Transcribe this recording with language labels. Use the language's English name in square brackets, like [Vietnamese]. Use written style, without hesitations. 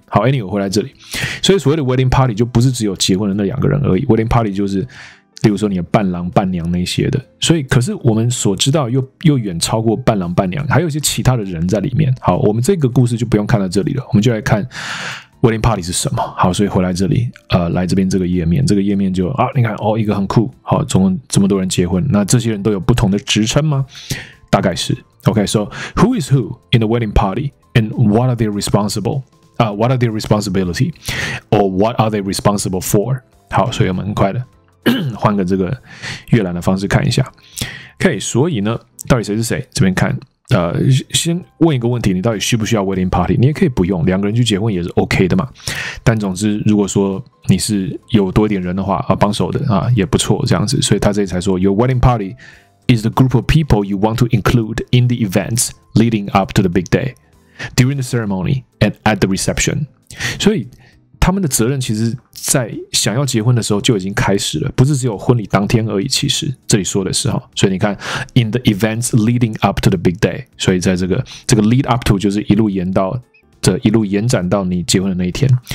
[Chinese] 好 anyway 回来这里，所以所谓的 wedding party 就不是只有结婚的那两个人而已， wedding party 就是例如说你的伴郎伴娘那些的，所以可是我们所知道又远超过伴郎伴娘，还有一些其他的人在里面。好，我们这个故事就不用看到这里了，我们就来看 wedding party 是什么。好，所以回来这里，来这边这个页面，这个页面就啊，你看哦，一个很酷，好，总共这么多人结婚，那这些人都有不同的职称吗？大概是。 [English] Okay, so who is who in the wedding party, and what are they responsible? What are their responsibility, or what are they responsible for? [Chinese] 好，所以我们很快的换个这个阅览的方式看一下。 Okay, 所以呢，到底谁是谁？这边看，先问一个问题，你到底需不需要 wedding party? 你也可以不用，两个人去结婚也是 OK 的嘛。但总之，如果说你是有多一点人的话，帮手的啊，也不错这样子。所以他这里才说 [English] your wedding party. Is the group of people you want to include in the events leading up to the big day, during the ceremony and at the reception? [Chinese] 所以他们的责任其实在想要结婚的时候就已经开始了，不是只有婚礼当天而已。其实这里说的是，所以你看 [English] in the events leading up to the big day, [Chinese] 所以在这个 lead up to 就是一路延到这一路延展到你结婚的那一天。